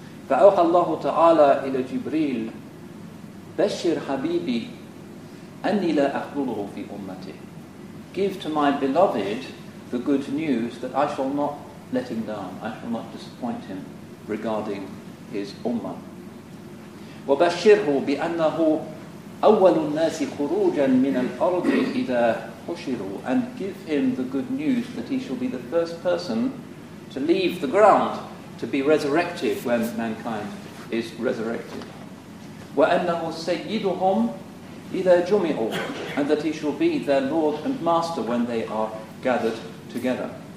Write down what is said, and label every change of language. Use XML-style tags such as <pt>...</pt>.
<ar>فأوحى الله تعالى إلى جبريل بشر حبيبي أني لا أخذله في أمتي.</ar> <en>Give to my beloved the good news that I shall not let him down, I shall not disappoint him regarding his ummah.</en> <ar>وبشره بأنه أول الناس خروجا من الأرض إذا حشروا.</ar> <en>And give him the good news that he shall be the first person to leave the ground, to be resurrected when mankind is resurrected.</en> <ar>وَأَنَّهُ سَيِّدُهُمْ إِذَا جُمِعُوا,</ar> <en>and that he shall be their Lord and Master when they are gathered together.</en>